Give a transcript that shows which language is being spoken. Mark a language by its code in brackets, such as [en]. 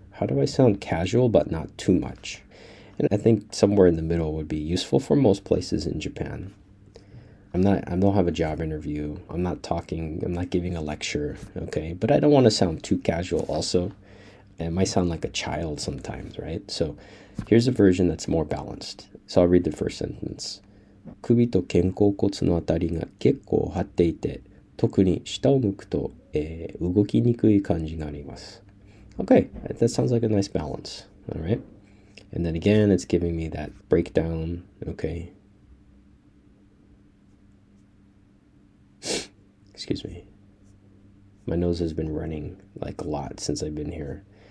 [en] How do I sound casual but not too much? And I think somewhere in the middle would be useful for most places in Japan. I don't have a job interview. I'm not giving a lecture, okay? But I don't want to sound too casual also. It might sound like a child sometimes, right? So here's a version that's more balanced. So I'll read the first sentence. [ja] 首と肩甲骨のあたりが結構張っていて、特に下を向くと、動きにくい感じになります。 [en] Okay, that sounds like a nice balance. All right. And then again, it's giving me that breakdown. Okay. Excuse me. My nose has been running like a lot since I've been here.